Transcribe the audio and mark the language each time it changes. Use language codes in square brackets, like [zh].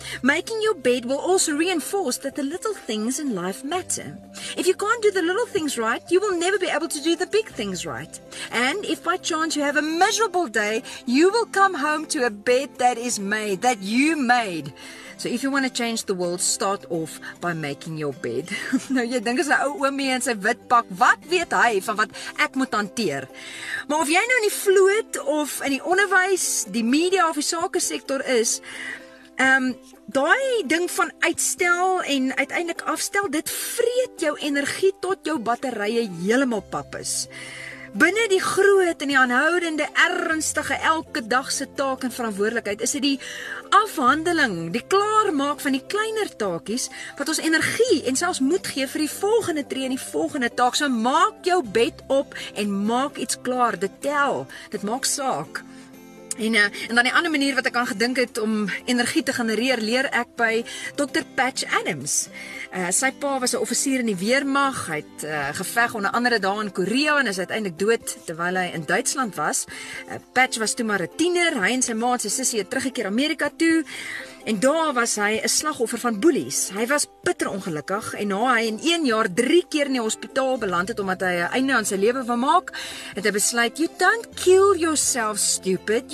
[en] Making your bed will also reinforce that the little things in life matter. If you can't do the little things right, you will never be able to do the big things right. And if by chance you have a miserable day, you will come home to a bed that is made, that you made. So if you want to change the world, start off by making your bed. [af] Nou, jy dink as 'n ou oomie in sy wit pak, wat weet hy van wat ek moet hanteer? Maar of jy nou in die vloed of in die onderwys, die media of die sake sektor is, daai ding van uitstel en uiteindelik afstel, dit vreet jou energie tot jou batterye heeltemal pap is. Binne die groot en die aanhoudende ernstige elke dag se taak en verantwoordelikheid is dit die afhandeling, die klaarmaak van die kleiner taakies wat ons energie en selfs moed gee vir die volgende tree en die volgende taak. So maak jou bed op en maak iets klaar. Dit tel, dit maak saak. En dan die ander manier wat ek aan gedink het om energie te genereer, leer ek by Dr. Patch Adams. Sy pa was 'n offisier in die Weermag. Hy het geveg onder andere daar in Korea en is uiteindelik dood terwyl hy in Duitsland was. Patch was toe maar 'n tiener. Hy en sy ma en sy sussie het teruggekeer Amerika toe. En daar was hy 'n slagoffer van boelies. Hy was bitter ongelukkig en na hy in 1 jaar 3 keer in die hospitaal beland het omdat hy 'n einde aan sy lewe wou maak, het hy besluit, [en] "You don't kill yourself, stupid.